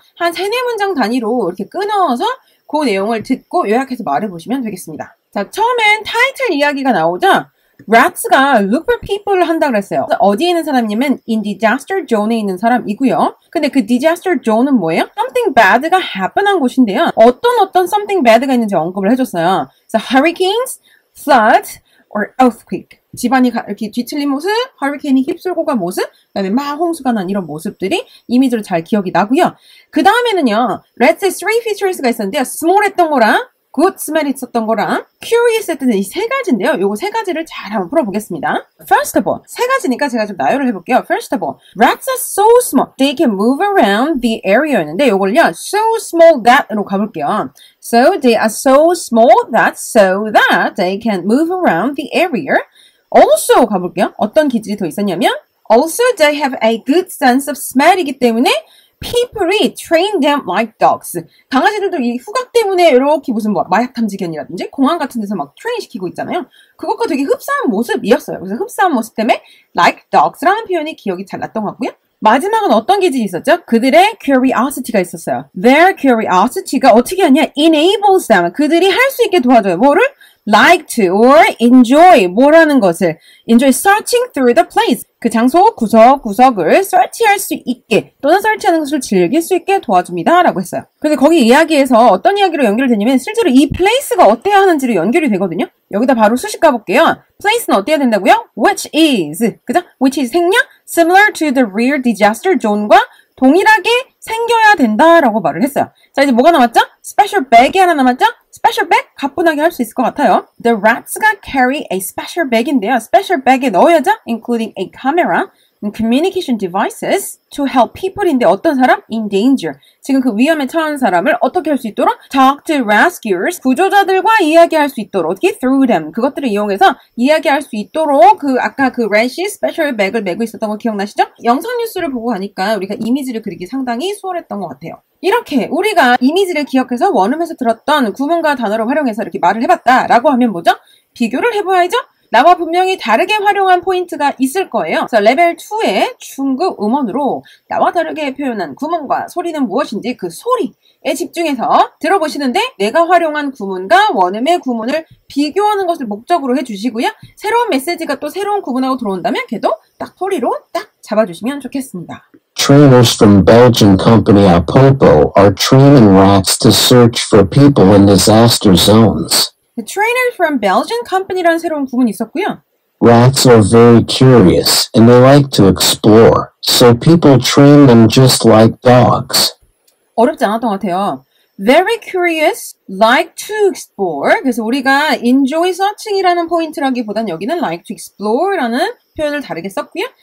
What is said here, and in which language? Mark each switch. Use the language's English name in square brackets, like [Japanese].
[Korean] 한 3, 4문장 단위로 이렇게 끊어서 그 내용을 듣고 요약해서 말해보시면 되겠습니다. 자, 처음엔 타이틀 이야기가 나오죠. Rats가 [English] look for people [Korean] 을 한다고 했어요. 어디에 있는 사람이냐면 [English] in disaster zone [Korean] 에 있는 사람이고요. 근데 그 disaster zone은 뭐예요? [English] Something bad [Korean] 가 happen한 곳인데요. 어떤 something bad가 있는지 언급을 해줬어요. [English] So, hurricanes, flood, or earthquake. [Korean] 집안이 이렇게 뒤틀린 모습, 허리케인이 휩쓸고 간 모습, 그 다음에 막 홍수가 난 이런 모습들이 이미지로 잘 기억이 나고요. 그 다음에는요, Rats의 [English] three features [Korean] 가 있었는데요. Small 했던 거랑, good smell 있었던 거랑, curious 했던 이 세 가지인데요. 요거 세 가지를 잘 한번 풀어보겠습니다. [English] First of all, [Korean] 세 가지니까 제가 좀 나열을 해볼게요. [English] First of all, Rats are so small. They can move around the area였는데 요걸요, so small that로 가볼게요. So they are so small that so that they can move around the area. Also 가볼게요. [Korean] 어떤 기질이 더 있었냐면 [English] Also they have a good sense of smell이기 때문에 People train them like dogs. [Korean] 강아지들도 이 후각 때문에 이렇게 무슨 뭐 마약 탐지견이라든지 공항 같은 데서 막 트레인 시키고 있잖아요. 그것과 되게 흡사한 모습이었어요. 그래서 흡사한 모습 때문에 [English] Like dogs [Korean] 라는 표현이 기억이 잘 났던 것 같고요. 마지막은 어떤 기질이 있었죠? 그들의 curiosity가 있었어요. Their curiosity가 어떻게 하냐? [English] Enables them. [Korean] 그들이 할 수 있게 도와줘요. 뭐를? [English] Like to or enjoy [Korean] 뭐라는 것을 [English] enjoy searching through the place [Korean] 그 장소 구석구석을 search할 수 있게 또는 search하는 것을 즐길 수 있게 도와줍니다 라고 했어요. 그런데 거기 이야기에서 어떤 이야기로 연결되냐면 실제로 이 place가 어때야 하는지로 연결이 되거든요. 여기다 바로 수식 가볼게요. place는 어때야 된다고요? [English] which is [Korean] 그죠? which is 생냐? [English] similar to the real disaster zone [Korean] 과 동일하게 생겨야 된다라고 말을 했어요. 자 이제 뭐가 남았죠? special bag이 하나 남았죠? special bag 가뿐하게 할 수 있을 것 같아요. [English] The rats가 carry a special bag인데요. [Korean] special bag에 넣어야죠. [English] including a camera and communication devices to help people [Korean] 인데 어떤 사람? [English] in danger. [Korean] 지금 그 위험에 처한 사람을 어떻게 할 수 있도록? [English] talk to rescuers. [Korean] 구조자들과 이야기할 수 있도록. [English] through them. [Korean] 그것들을 이용해서 이야기할 수 있도록 그 아까 그 rats이 special bag을 메고 있었던 거 기억나시죠? 영상 뉴스를 보고 가니까 우리가 이미지를 그리기 상당히 수월했던 것 같아요. 이렇게 우리가 이미지를 기억해서 원음에서 들었던 구문과 단어를 활용해서 이렇게 말을 해봤다라고 하면 뭐죠? 비교를 해봐야죠. 나와 분명히 다르게 활용한 포인트가 있을 거예요. 그래서 레벨 2의 중급 음원으로 나와 다르게 표현한 구문과 소리는 무엇인지 그 소리에 집중해서 들어보시는데 내가 활용한 구문과 원음의 구문을 비교하는 것을 목적으로 해주시고요. 새로운 메시지가 또 새로운 구문하고 들어온다면 걔도 딱 소리로 딱 잡아주시면 좋겠습니다. [English] Trainers from Belgian company Apopo are training rats to search for people in disaster zones. The trainer from Belgian company [Korean] 라는 새로운 구문이 있었고요. [English] Rats are very curious and they like to explore, so people train them just like dogs. [Korean] 어렵지 않았던 것 같아요. [English] Very curious, like to explore. [Korean] 그래서 우리가 [English] enjoy searching [Korean] 이라는 포인트라기보단 여기는 [English] like to explore [Korean] 라는 표현을 다르게 썼고요.